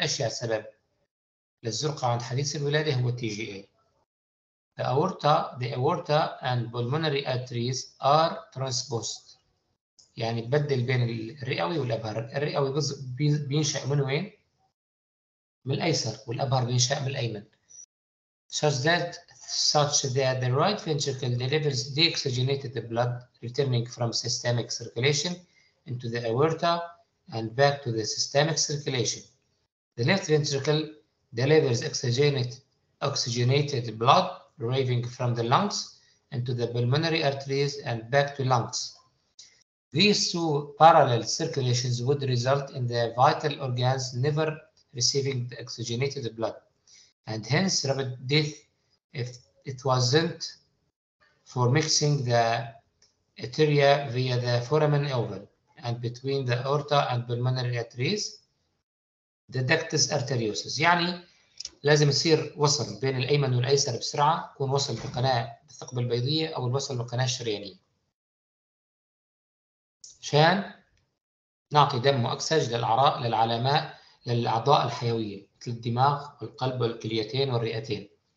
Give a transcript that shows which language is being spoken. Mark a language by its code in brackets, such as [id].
[ar] أشيع سبب للزرقة عند حديث الولادة هو TGA. [en] The aorta and pulmonary arteries are transposed. [ar] يعني تبدل بين الرئوي والأبهر. الرئوي بينشأ من وين؟ من الأيسر، والأبهر بينشأ من الأيمن. [en] Such that the right ventricle delivers deoxygenated blood returning from systemic circulation into the aorta and back to the systemic circulation. The left ventricle delivers oxygenated blood arriving from the lungs into the pulmonary arteries and back to lungs. These two parallel circulations would result in the vital organs never receiving the oxygenated blood, and hence rapid death if it wasn't for mixing the arteria via the foramen oval and between the aorta and pulmonary arteries, the ductus arteriosus. يعني [ar] لازم يصير وصل بين الأيمن والأيسر بسرعة، يكون وصل بقناة الثقب البيضية أو الوصل بقناة الشريانية عشان نعطي دم وأكسجين للأعضاء الحيوية مثل الدماغ والقلب والكليتين والرئتين.